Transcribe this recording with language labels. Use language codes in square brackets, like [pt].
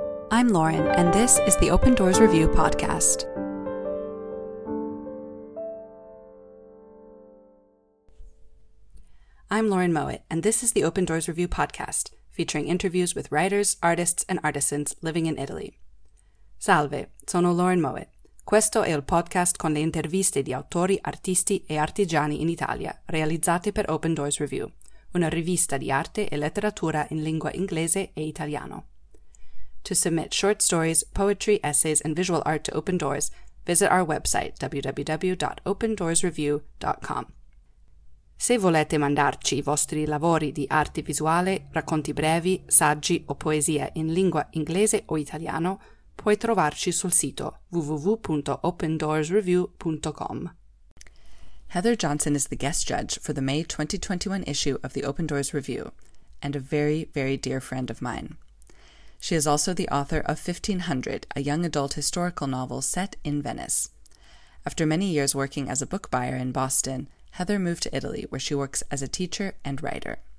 [en] I'm Lauren, and this is the Open Doors Review podcast. I'm Lauren Mowat, and this is the Open Doors Review podcast, featuring interviews with writers, artists, and artisans living in Italy. [it] Salve, sono Lauren Mowat. Questo è il podcast con le interviste di autori, artisti e artigiani in Italia, realizzate per Open Doors Review, una rivista di arte e letteratura in lingua inglese e italiano. [en] To submit short stories, poetry, essays, and visual art to Open Doors, visit our website www.opendoorsreview.com. [it] Se volete mandarci I vostri lavori di arte visuale, racconti brevi, saggi o poesie in lingua inglese o italiano, puoi trovarci sul sito www.opendoorsreview.com. [en] Heather Johnson is the guest judge for the May 2021 issue of the Open Doors Review, and a very, very dear friend of mine. She is also the author of 1500, a young adult historical novel set in Venice. After many years working as a book buyer in Boston, Heather moved to Italy, where she works as a teacher and writer.